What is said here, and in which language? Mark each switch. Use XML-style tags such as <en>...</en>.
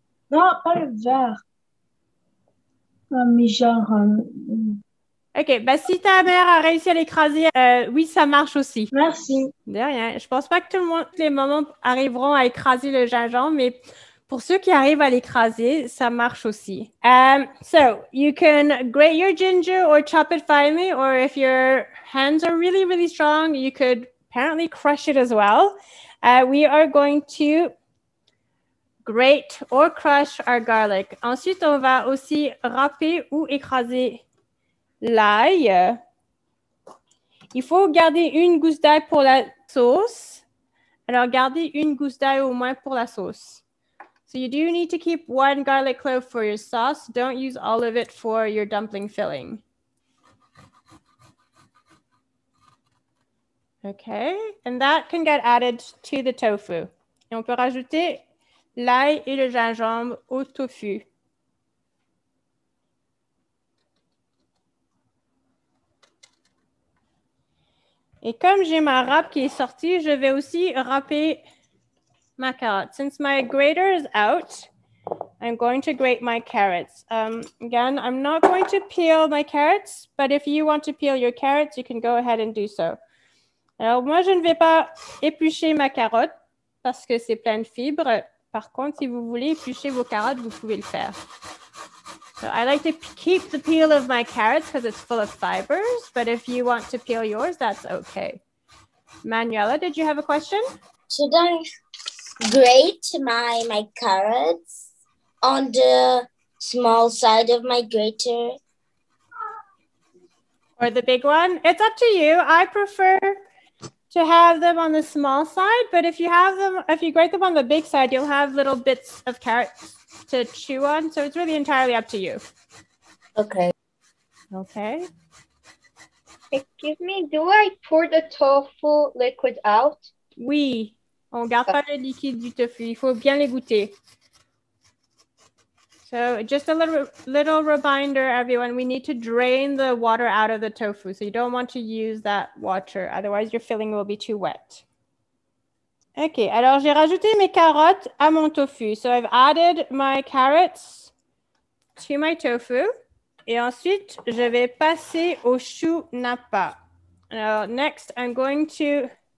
<fr>Non, pas le vert. Mais genre... OK, ben si ta mère a réussi à l'écraser, oui, ça marche aussi. Merci. De rien. Je pense pas que tout le monde, les mamans arriveront à écraser le gingembre, mais... Pour ceux qui arrivent à l'écraser, ça marche aussi.</fr> <en>So, you can grate your ginger or chop it finely, or if your hands are really, really strong, you could apparently crush it as well. We are going to grate or crush our garlic.</en> <fr>Ensuite, on va aussi râper ou écraser l'ail. Il faut garder une gousse d'ail pour la sauce. Alors, gardez une gousse d'ail au moins pour la sauce.</fr> <en>So you do need to keep one garlic clove for your sauce. Don't use all of it for your dumpling filling. Okay, and that can get added to the tofu.</en> <fr>Et on peut rajouter l'ail et le gingembre au tofu. Et comme j'ai ma râpe qui est sortie, je vais aussi râper</fr> <en>my carrots. Since my grater is out, I'm going to grate my carrots. Again, I'm not going to peel my carrots, but if you want to peel your carrots, you can go ahead and do so.</en> <fr>Alors, moi, je ne vais pas éplucher ma carotte parce que c'est plein de fibres. Par contre, si vous voulez éplucher vos carottes, vous pouvez le faire.</fr> <en>So I like to keep the peel of my carrots because it's full of fibers, but if you want to peel yours, that's okay. Manuela, did you have a question? Should I grate my carrots on the small side of my grater? Or the big one? It's up to you. I prefer to have them on the small side, but if you have them, if you grate them on the big side, you'll have little bits of carrots to chew on. So it's really entirely up to you. Okay. Okay. Excuse me, do I pour the tofu liquid out?</en> <fr>Oui. On garde pas le liquide du tofu. Il faut bien les goûter.</fr> <en>So just a little reminder, everyone, we need to drain the water out of the tofu. So you don't want to use that water. Otherwise, your filling will be too wet.</en> <fr>Okay, alors j'ai rajouté mes carottes à mon tofu.</fr> <en>So I've added my carrots to my tofu.</en> <fr>Et ensuite, je vais passer au chou napa.</fr> <en>Next, I'm going to...</en>